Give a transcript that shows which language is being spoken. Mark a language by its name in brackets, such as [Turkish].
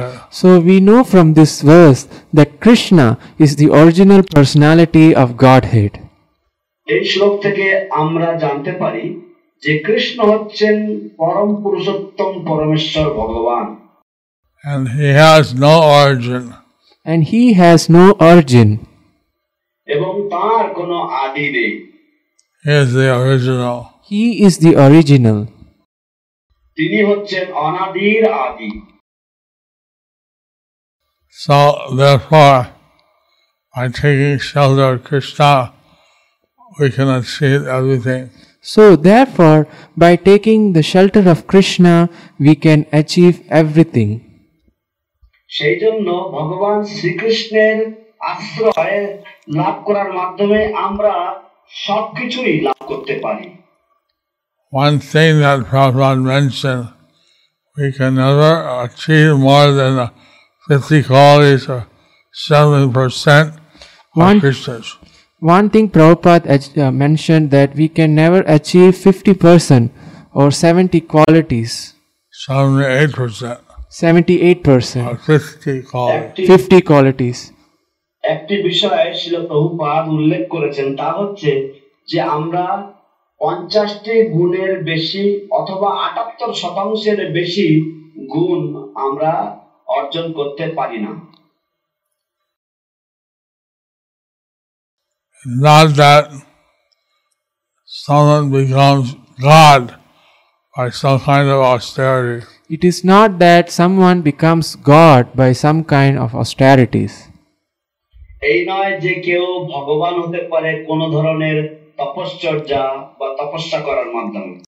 [English] So we know from this verse that Krishna is the original personality of Godhead. [Bangla] এই শ্লোক থেকে আমরা জানতে পারি যে কৃষ্ণ হচ্ছেন পরম পুরুষোত্তম পরমেশ্বর ভগবান. [English] And he has no origin. And he has no origin. [Bangla] এবং তার কোনো আদি নেই. [English] He is the original. He is the original. [Bangla] তিনি হচ্ছেন অনাদির আদি. [English] So, therefore, by taking shelter of Krishna, we can achieve everything. So, therefore, by taking the shelter of Krishna, we can achieve everything. [Bangla] সেইজন্য ভগবান শ্রীকৃষ্ণের আশ্রয় লাভ করার মাধ্যমে আমরা সবকিছুই লাভ করতে পারি. [English] One thing that Prabhupada mentioned, we can never achieve more than 50 qualities or 7% of Krishna's. One thing Prabhupada mentioned that we can never achieve 50% or 70 qualities. 78%. 78%. Or 50 qualities. 50 qualities. [Bangla] একটি বিষয় শিল প্রভুপাদ উল্লেখ করেছেন তা হচ্ছে যে আমরা 50টি গুণের বেশি অথবা 78% বেশি গুণ আমরা অর্জন করতে পারি না. [English] Not that someone becomes God by some kind of austerity. It is not that someone becomes God by some kind of austerities. [Bangla] এই নয় যে কেউ ভগবান হতে পারে কোন ধরনের তপশ্চর্যা বা তপস্যা করার মাধ্যমে.